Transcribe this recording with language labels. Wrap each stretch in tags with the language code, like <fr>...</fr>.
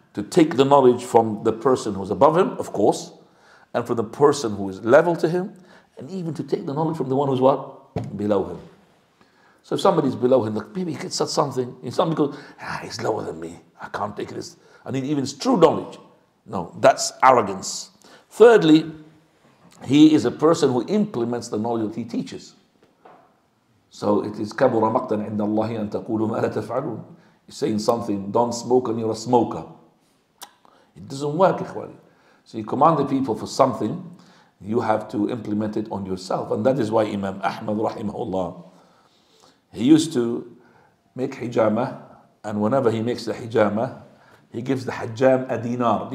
<en>To take the knowledge from the person who's above him, of course, and from the person who is level to him, and even to take the knowledge from the one who's what? Below him. So if somebody's below him, like, maybe he can say something. If somebody goes, he's lower than me, I can't take this. I need even true knowledge. No, that's arrogance. Thirdly, he is a person who implements the knowledge that he teaches. So it is</en> <ar>كَبُرَ مَقْتًا عِنَّ اللَّهِ أَن تَقُولُ مَا لَا تَفْعَلُونَ.</ar> <en>He's saying something, don't smoke and you're a smoker. It doesn't work, ikhwani. So you command the people for something, you have to implement it on yourself. And that is why Imam Ahmad rahimahullah, he used to make hijama, and whenever he makes the hijama, he gives the hajjam a dinar.</en>